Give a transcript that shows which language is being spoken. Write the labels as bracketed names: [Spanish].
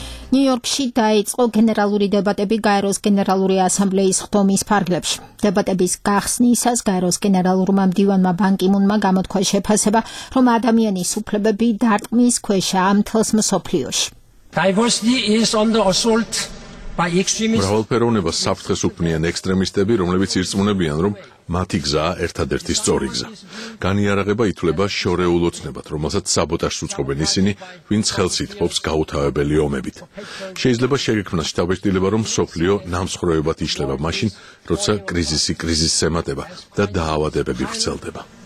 [Georgian] ნიუ-იორკში დაიწყო გენერალური დებატები გაეროს გენერალური ასამბლეის ხდომის ფარგლებში. დებატების გახსნისას გაეროს გენერალურმა მდივანმა ბან კი-მუნმა გამოთქვა შეფასება, რომ ადამიანის უფლებები დარტყმის ქვეშაა მთელს მსოფლიოში. [English] Diversity is under assault by extremists. [Georgian] მრავალფეროვნება საფრთხეს უქმნიან ექსტრემისტები, რომლებიც ირწმუნებიან, რომ მათი გზა ერთადერთი სწორი გზა. განიარაღება ითვლება შორეულოცნებად, რომელსაც საბოტაჟს უწყობენ ისინი, ვინც ხელს იტფობს გაუთავებელი ომებით. შეიძლება შეგექმნას შთაბეჭდილება, რომ სოფლიო ნამსხვრევებად იშლება მაშინ, როცა კრიზისი კრიზისს ემატება და დაავადებები ვრცელდება.